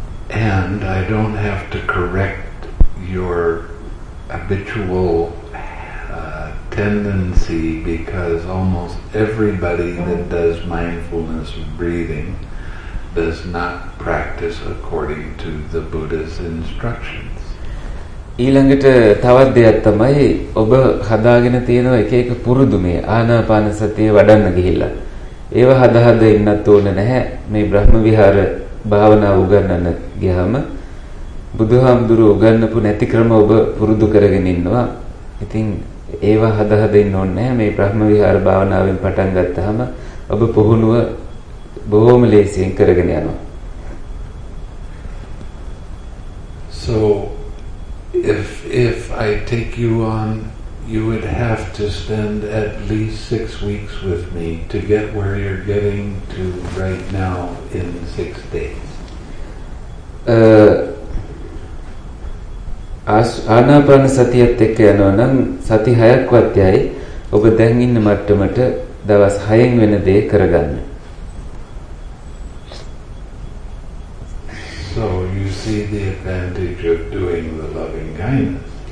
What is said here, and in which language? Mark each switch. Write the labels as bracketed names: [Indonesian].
[English] and I don't have to correct your habitual tendency because almost everybody that does mindfulness of breathing does not practice according to the Buddha's instructions. [Sinhala] ඊළඟට තවත් දෙයක් තමයි ඔබ හදාගෙන තියෙන එක එක පුරුදු මේ ආනාපාන සතිය වඩන්න ගිහිල්ලා. ඒව හදා හදා ඉන්නත් ඕන නැහැ. මේ බ්‍රහ්ම විහාර භාවනා උගන්වන්න ගියාම බුදුහාමුදුරුව උගන්වපු නැති ක්‍රම ඔබ පුරුදු කරගෙන ඉන්නවා. ඉතින් ඒව හදා හදා ඉන්න ඕනේ නැහැ. මේ බ්‍රහ්ම විහාර භාවනාවෙන් පටන් ගත්තාම ඔබ පුහුණුව බොහොම ලේසියෙන් කරගෙන යනවා. [English] So if I take you on, you would have to spend at least 6 weeks with me to get where you're getting to right now in 6 days. [Sinhala] ආනාපාන සතියත් එක්ක යනවා නම් සති 6ක් වත්යයි ඔබ දැන් ඉන්න මට්ටමට දවස් 6න් වෙන දේ කරගන්න. [English] So you see the advantage of doing the loving kindness.